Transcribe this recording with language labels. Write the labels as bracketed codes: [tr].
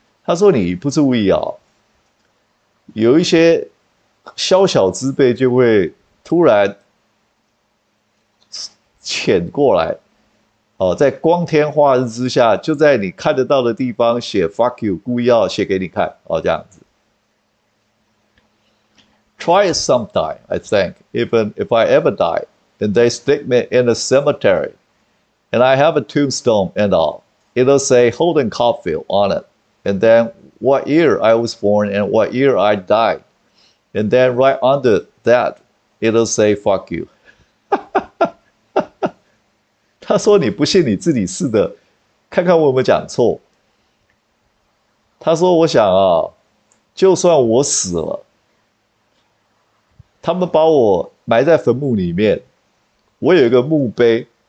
[zh] 他说你不注意哦，有一些宵小之辈就会突然潜过来，哦，在光天化日之下，就在你看得到的地方写 [en] "fuck you"， [zh] 故意要写给你看，哦，这样子。 [en] Try it sometime, I think. Even if I ever die, and they stick me in a cemetery。 And I have a tombstone and all. It'll say Holden Caulfield on it. And then what year I was born and what year I died. And then right under that, it'll say fuck you. [zh] 他说你不信你自己似的，看看我有没有讲错。他说我想啊，就算我死了，他们把我埋在坟墓里面，我有一个墓碑。